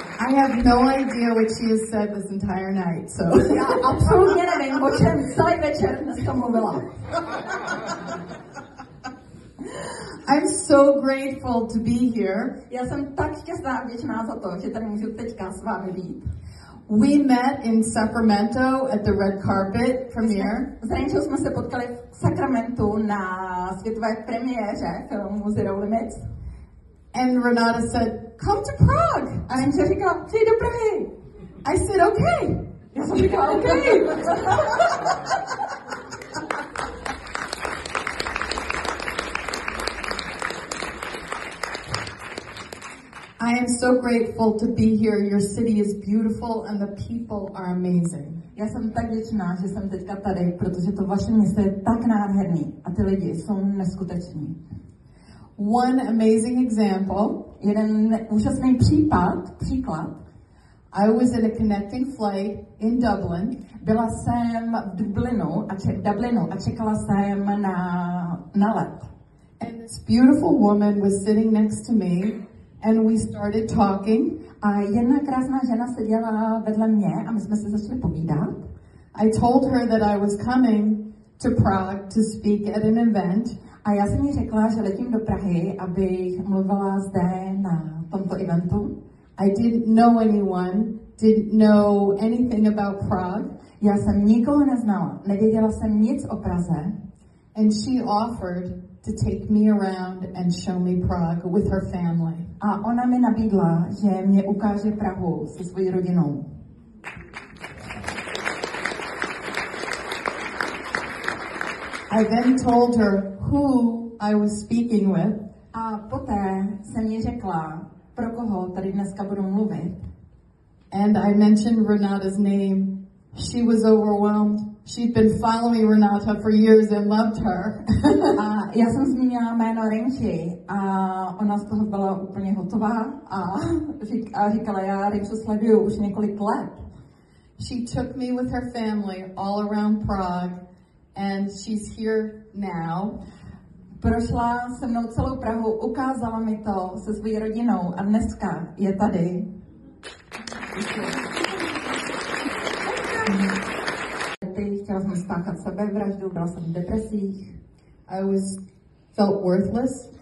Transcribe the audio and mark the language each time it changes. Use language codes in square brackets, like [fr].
[en] I have no idea what she has said this entire night, so. [cs] Já absolutně nevím, o čem celý večer dneska mluvila. [en] I'm so grateful to be here. [cs] Já jsem tak šťastná a vděčná za to, že tady můžu teďka s vámi být. [en] We met in Sacramento at the red carpet premiere. [cs] S Renčou jsme se potkali v Sacramento na světové premiéře filmu Zero Limits. [en] And Renata said, come to Prague. [cs] A Renča říkala, přijď do Prahy. [en] I said, okay. [cs] Já jsem říkala, okay. [en] I am so grateful to be here. Your city is beautiful and the people are amazing. [cs] Já jsem tak vděčná, že jsem teďka tady, protože to vaše město je tak nádherný a ty lidi jsou neskuteční. [en] One amazing example. [cs] Jeden úžasný příklad. [en] I was in a connecting flight in Dublin. [cs] Byla jsem v Dublinu a čekala jsem na let. [en] And this beautiful woman was sitting next to me. And we started talking. [cs] A jedna krásná žena seděla vedle mě a my jsme se začali povídat. [en] I told her that I was coming to Prague to speak at an event. [cs] A já jsem jí řekla, že letím do Prahy, abych mluvila zde na tomto eventu. [en] I didn't know anyone, didn't know anything about Prague. [cs] Já jsem nikoho neznala, nevěděla jsem nic o Praze. [en] And she offered to take me around and show me Prague with her family. [cs] A ona mi nabídla, že mě ukáže Prahu se svojí rodinou. [en] I then told her who I was speaking with. [cs] A poté jsem jí řekla, pro koho tady dneska budu mluvit. [en] And I mentioned Renata's name. She was overwhelmed. She'd been following Renata for years and loved her. [cs] Já jsem zmínila jméno Renči a ona z toho byla úplně hotová a říkala, já Renču sleduju už několik let. [en] She took me with her family all around Prague, and she's here now. [cs] Prošla se mnou celou Prahu, ukázala mi to se svojí rodinou a dneska je tady. Chtěla jsem spáchat sebevraždu, byla jsem v depresích. [en] I was felt worthless.